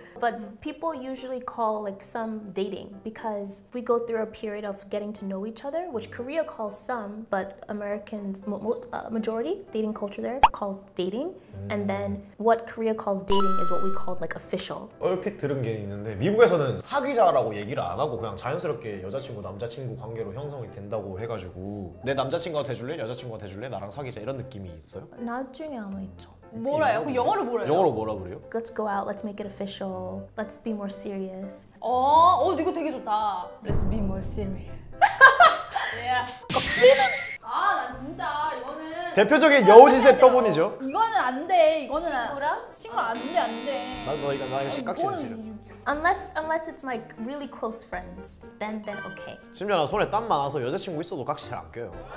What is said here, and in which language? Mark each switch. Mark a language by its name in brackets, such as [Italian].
[English] But people usually call like some dating because we go through a period of getting to know each other, which Korea calls some, but Americans, majority dating culture there calls dating. And then what Korea calls dating is what we call like official. [Korean] 얼핏 들은 게 있는데 미국에서는 사귀자라고 얘기를 안 하고 그냥 자연스럽게 여자친구 남자친구 관계로 형성이 된다고 해가지고 내 남자친구가 돼줄래? 여자친구가 돼줄래? 나랑 사귀자 이런 느낌이 있어요? 나중에 아마 있죠. 뭐라요? 그 영어로 뭐라요? 영어로 뭐라 그래요? [English] Let's go out. Let's make it official. Let's be more serious. [Korean] 어, 이거 되게 좋다. [English] Let's be more serious. Yeah. [Korean] 껍질은? 아, 난 진짜 이거는 대표적인 여우짓의 떠본이죠. 이거는 안 돼. 이거는 친구랑? 친구랑 안 돼, 안 돼. 나 이거 깍지는 싫어. [English] Unless it's my really close friends, then okay. [Korean] 심지어 손에 땀 많아서 여자친구 있어도 깍지 잘 안 껴요.